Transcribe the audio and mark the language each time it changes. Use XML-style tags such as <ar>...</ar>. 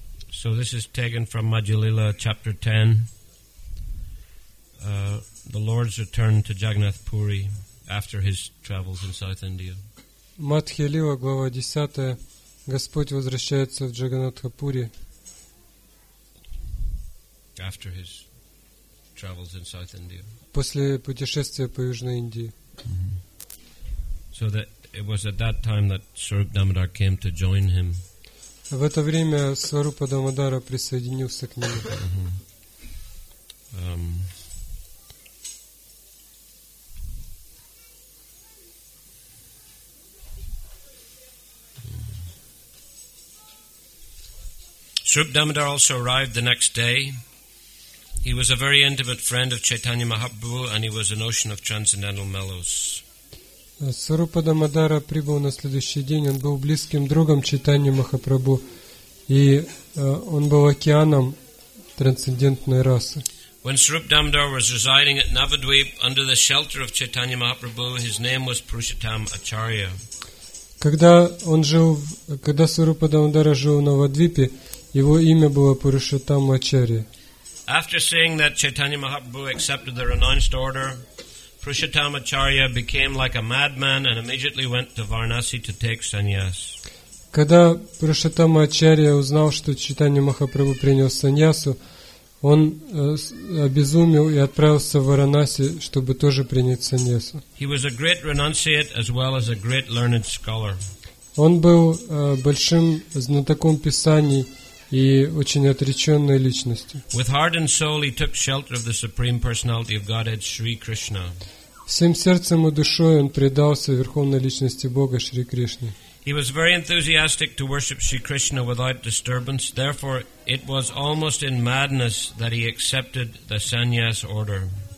<en>So this is taken from Madhyalila, chapter 10. The Lord's return to Jagannath Puri after his travels in South India.</en> <ru>Мадхьялила, глава 10. Господь возвращается в Джаганнатхапури.</ru> <en>After his travels in South India.</en> <ru>После путешествия по Южной Индии. Mm-hmm.</ru> <en>So that it was at that time that Swarup Damodar came to join him.</en> <ru>В это время Сварупа Дамодара присоединился к нему. Mm-hmm.</ru> <en>Swarup Damodar also arrived the next day. He was a very intimate friend of Chaitanya Mahaprabhu and he was an ocean of transcendental mellows.</en> <ru>Swarupa Damodara прибыл на следующий день. Он был близким другом Чайтаньи Махапрабху и он был океаном трансцендентной расы.</ru> <en>When Swarup Damodar was residing at Navadvip under the shelter of Chaitanya Mahaprabhu, his name was Purushottam Acharya.</en> <ru>Когда Swarupa Damodara жил на Навадвипе, его имя было Пурушоттама Ачарья.</ru> <en>After seeing that Chaitanya Mahaprabhu accepted the renounced order, Purushottama Acharya became like a madman and immediately went to Varanasi to take sannyas.</en> <ru>Когда Пурушоттама Ачарья узнал, что Чайтанья Махапрабху принял саньясу, он обезумел и отправился в Варанаси, чтобы тоже принять саньясу.</ru> <en>He was a great renunciate as well as a great learned scholar.</en> <ru>Он был большим знатоком писаний и очень отреченной личностью.</ru> <en>With heart and soul, he took shelter of the Supreme Personality of Godhead, Shri Krishna.</en> <ru>Всем сердцем и душой он предался Верховной Личности Бога, Шри Кришне.</ru> <en>He was very enthusiastic to worship Shri Krishna without disturbance. Therefore, it was almost in madness that he accepted the sannyas order.</en>